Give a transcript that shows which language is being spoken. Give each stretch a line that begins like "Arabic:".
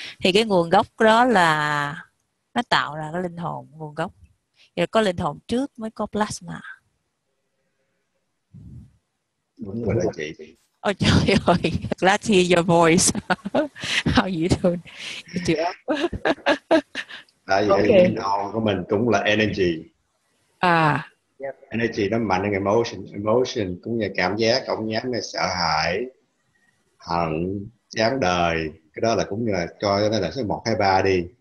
Vietnamese: Thì cái nguồn gốc đó là nó tạo ra cái linh hồn nguồn gốc. Thì có linh hồn trước mới có plasma. Đúng rồi chị.
English: Oh,
Vietnamese: trời ơi,
English: glad to hear your voice. How you doing? You do?
Vietnamese: Tại vì okay. Linh hồn của mình cũng là energy. À. Yep. Energy nó mạnh hơn emotion cũng như cảm giác, cũng như là sợ hãi, hận, chán đời, cái đó là cũng như là cho nó là số 1, 2, 3 đi.